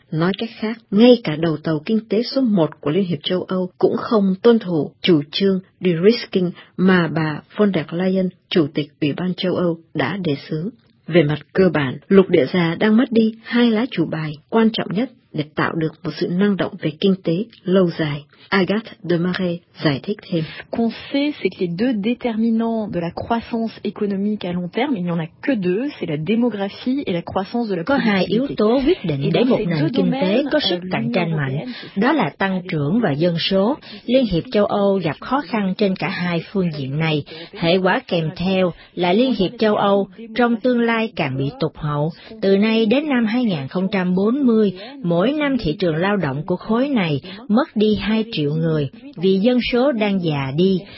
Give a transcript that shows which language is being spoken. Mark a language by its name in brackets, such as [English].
[Vietnamese] Nói cách khác, ngay cả đầu tàu kinh tế số 1 của Liên hiệp châu Âu cũng không tuân thủ chủ trương de-risking mà bà von der Leyen, chủ tịch Ủy ban châu Âu, đã đề xướng. Về mặt cơ bản, lục địa già đang mất đi hai lá chủ bài quan trọng nhất để tạo được một sự năng động về kinh tế lâu dài. Agathe Demarais giải thích thêm. [French] Qu'on sait, c'est que les deux déterminants de la croissance économique à long terme, il n'y en a que deux, c'est la démographie et la croissance de la productivité. [Vietnamese] Có hai yếu tố quyết định để một nền kinh tế có sức cạnh tranh mạnh, đó là tăng trưởng và dân số. Liên hiệp châu Âu gặp khó khăn trên cả hai phương diện này. Hệ quả kèm theo là Liên hiệp châu Âu trong tương lai càng bị tụt hậu. Từ nay đến năm 2040, mỗi năm thị trường lao động của khối này mất đi 2 triệu người vì dân số đang già đi.